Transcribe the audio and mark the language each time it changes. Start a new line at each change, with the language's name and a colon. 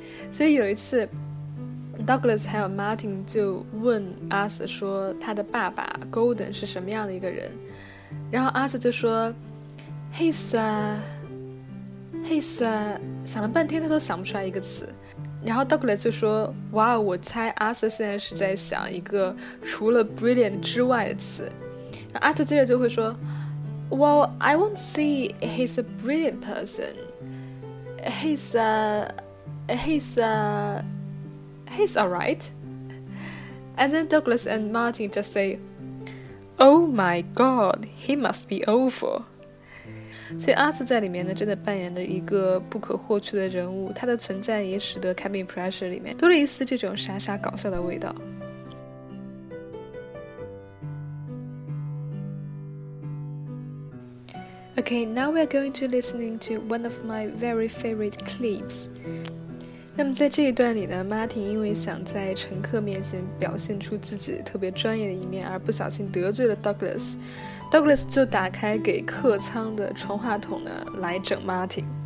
Chinese: 所以有一次Douglas 还有 Martin 就问 Arthur 说他的爸爸 Golden 是什么样的一个人，然后 Arthur 就说
English: He's a
Chinese: 想了半天他都想不出来一个词，然后 Douglas 就说哇，我猜 Arthur 现在是在想一个除了 brilliant 之外的词。
English: Arthur
Chinese: 接着就会说
English: Well I won't say he's a brilliant person， He's alright. And then Douglas and Martin just say, Oh my god, he must be awful.
Chinese: 所以阿瑟在里面呢真的扮演了一个不可或缺的人物，他的存在也使得 Cabin Pressure 里面多了一丝这种傻傻搞笑的味道。
English: Okay, now we're going to listening to one of my very favorite clips.
Chinese: 那么在这一段里呢， Martin 因为想在乘客面前表现出自己特别专业的一面而不小心得罪了 Douglas， Douglas 就打开给客舱的传话筒呢来整 Martin。